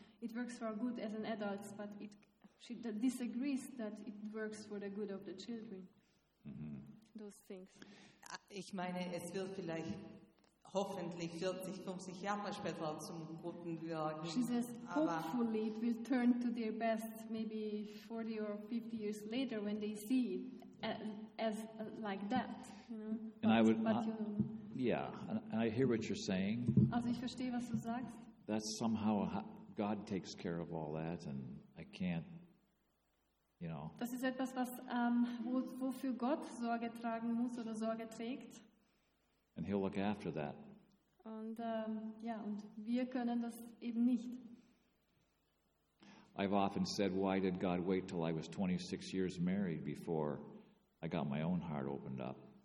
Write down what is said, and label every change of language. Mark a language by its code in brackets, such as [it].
[en] It works for our good as an adult, but she disagrees that it works for the good of the children. Mm-hmm. Those things. [de] Ich meine, es wird vielleicht hoffentlich 40, 50 Jahre später zum Guten wirken. [en] She says, hopefully it will turn to their best maybe 40 or 50 years later when they see it as like that. You know? And but, I would, yeah, and I hear what you're saying. [de] Also ich verstehe, was du sagst. [en] That's somehow God takes care of all that and I can't, you know. [de] Das ist etwas, was wofür Gott Sorge tragen muss oder Sorge trägt. [en] And he'll look after that. [de] Und ja, und wir können das eben nicht. [en] I've often said, why did God wait till I was 26 years married before I got my own heart opened up?